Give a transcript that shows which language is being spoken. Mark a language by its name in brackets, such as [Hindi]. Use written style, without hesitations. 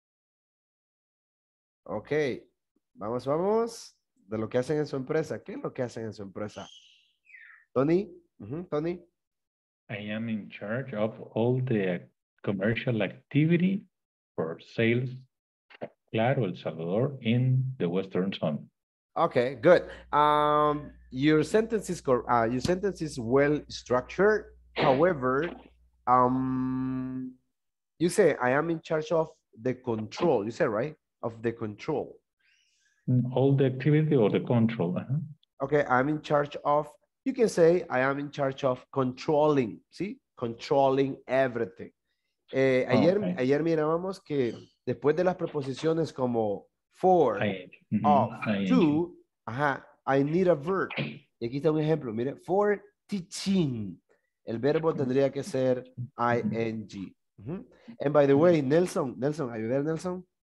[Spanish] Uh-huh. Ok. Vamos, vamos. De lo que hacen en su empresa. ¿Qué es lo que hacen en su empresa? Tony, uh-huh. Tony. [English] I am in charge of all the commercial activity for sales, Claro, El Salvador, in the Western Zone. Okay, good. Your sentence is well structured. However, you say I am in charge of the control. You said right of the control. All the activity or the control. Uh-huh. Okay, I'm in charge of. You can say, I am in charge of controlling, ¿sí? Controlling everything. [Spanish] Ayer mirábamos que después de las preposiciones como for, of, to, ajá, [English] I need a verb. [Spanish] Y aquí está un ejemplo, mire, [English] for teaching. [Spanish] El verbo tendría que ser ing. Mm-hmm. [English] And by the way, Nelson, are you there, Nelson?